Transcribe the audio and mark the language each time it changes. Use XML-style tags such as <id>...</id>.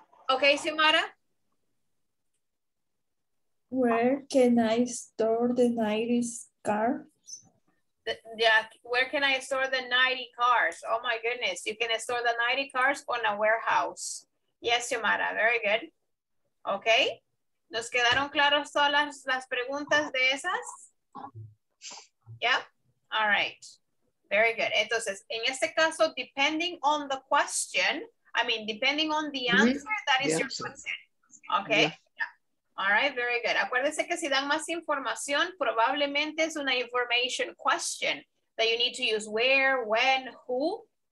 <en>Okay, Xiomara. Where can I store the 90s cars? Where can I store the 90 cars? Oh my goodness, you can store the 90 cars on a warehouse. Yes, Xiomara, very good.</en> <es>Okay, ¿nos quedaron claras todas las preguntas de esas?</es> <en>Yeah, all right, very good. Entonces, en este caso, depending on the question, I mean, depending on the answer, that is your question, okay? Yeah. All right, very good.</en> <es>Acuérdense que si dan más información, probablemente es una</es> <en>information question that you need to use where, when, who.</en>